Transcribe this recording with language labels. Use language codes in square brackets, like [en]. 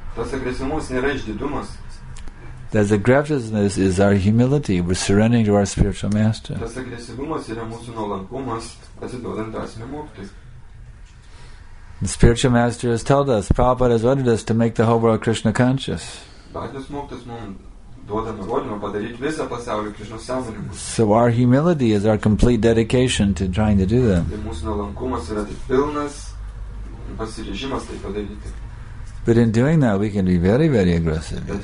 [lt] Tas agresyvumas nėra išdidumas. [en] That aggressiveness is our humility. We're surrendering to our spiritual master. [lt] Tas agresyvumas yra mūsų nuolankumas, pasiduodant dvasiniam mokytojui. [en] The spiritual master has told us, Prabhupada has ordered us to make the whole world Krishna conscious. [lt] Dvasinis mokytojas mums duoda nurodymą padaryti visą pasaulį Krishna sąmoningu. [en] So our humility is our complete dedication to trying to do that. [lt] Tai mūsų nuolankumas yra pilnas pasiryžimas tai padaryti. [en] But in doing that, we can be very, very aggressive.